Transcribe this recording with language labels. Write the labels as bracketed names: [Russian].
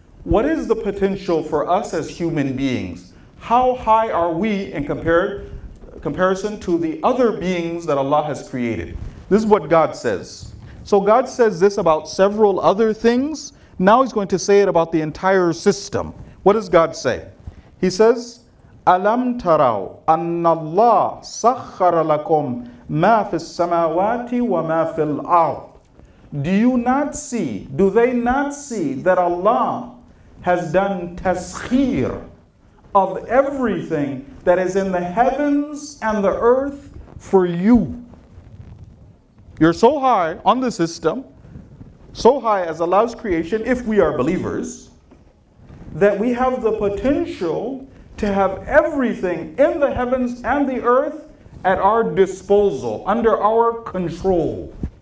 [English] What is the potential for us as human beings? How high are we in comparison to the other beings that Allah has created? This is what God says. So God says this about several other things. Now he's going to say it about the entire system. What does God say? He says, [Arabic] أَلَمْ تَرَوْا أَنَّ اللَّهَ سَخَّرَ لَكُمْ مَا فِي السَّمَاوَاتِ وَمَا فِي الْأَرْضِ. [English] Do you not see, do they not see that Allah has done taskhir of everything that is in the heavens and the earth for you? You're so high on the system, so high as Allah's creation, if we are believers, that we have the potential to have everything in the heavens and the earth at our disposal, under our control.